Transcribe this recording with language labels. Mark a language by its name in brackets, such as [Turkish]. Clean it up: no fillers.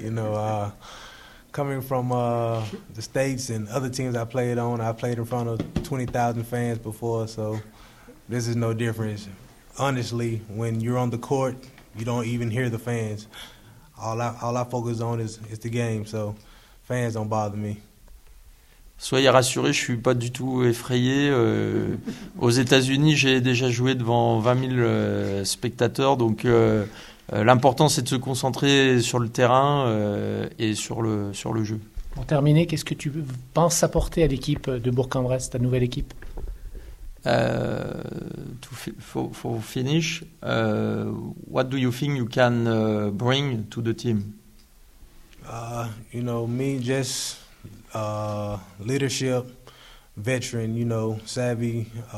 [English] You know, coming from the States and other teams I played on, I played in front of 20,000 fans before, so this is no difference. Honestly, when you're on the court, you don't even hear the fans. All I focus on is the game, so fans don't bother me. [French] Soyez rassurés, je suis pas du tout effrayé. Aux États-Unis, j'ai déjà joué devant 20 000 spectateurs, donc l'important c'est de se concentrer sur le terrain et sur le jeu. Pour terminer, qu'est-ce que tu penses apporter à l'équipe de Bourg-en-Bresse, ta nouvelle équipe? [English] For finish, what do you think you can bring to the team? You know, me, just leadership, veteran, you know, savvy.